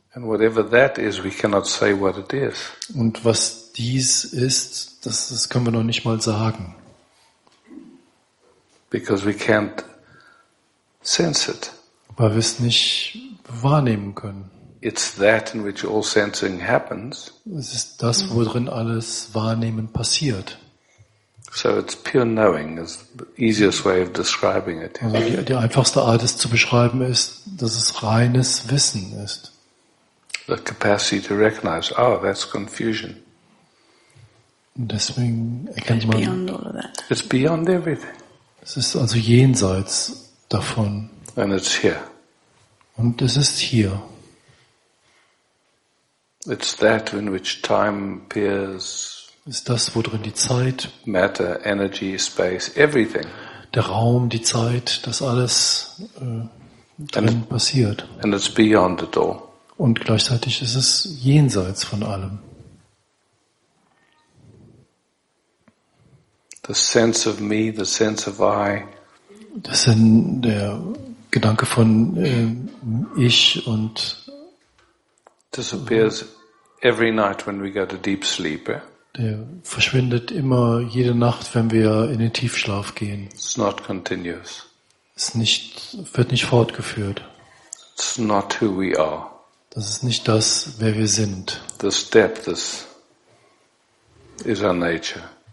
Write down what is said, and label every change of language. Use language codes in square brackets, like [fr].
[en] And whatever that is, we cannot say what it is. [de] Und was dies ist, das können wir noch nicht mal sagen, [en] because we can't sense it. [de] Weil wir es nicht wahrnehmen können. [en] It's that in which all sensing happens. [de] Es ist das, worin alles Wahrnehmen passiert. [en] So it's pure knowing is the easiest way of describing it. [de] Also die einfachste Art, es zu beschreiben, ist, dass es reines Wissen ist. [en] The capacity to recognize, oh, that's confusion. [de] Und deswegen erkennt [en] it's [de] man. [en] Beyond all of that. It's beyond everything. [de] Es ist also jenseits davon. [en] And it's here. [de] Und es ist hier. [en] It's that in which time appears. [de] Ist das, wo drin die Zeit, [en] matter, energy, space, everything. [de] Der Raum, die Zeit, das alles drin passiert. [en] And it's beyond it all. [de] Und gleichzeitig ist es jenseits von allem. [en] The sense of me, the sense of I. [de] Das sind der Gedanke von ich und [en] disappears every night when we go to deep sleep. [de] Der verschwindet immer jede Nacht, wenn wir in den Tiefschlaf gehen. [en] It's not continuous. [de] Es nicht, wird nicht fortgeführt. [en] It's not who we are. [de] Das ist nicht das, wer wir sind. [en] This depth is our nature.